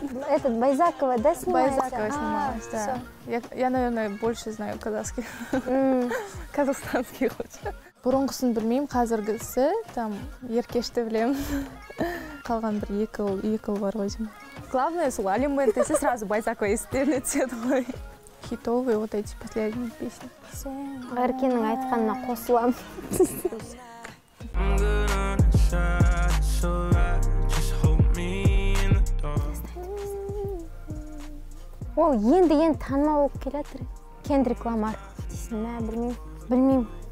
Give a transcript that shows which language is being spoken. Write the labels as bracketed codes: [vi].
[ru] Этот Байзакова, да, снимается? Байзакова снималась, да. Я, наверное, больше знаю казахских. Казахстанский хоть. [kk] Бұрынғысын білмеймін, қазіргісі там еркешті білемін. Қалған бір екіл бар ғой деймін. Главное, сол Алембент десе сразу Байзакова естеріне түседі ғой. [ru] Хитовые вот эти последние песни. [kk] Аркенің айтқанына қосылам. Ол енді танымал болып келатыр. Кендрик Ламар. Дейсің, білмеймін.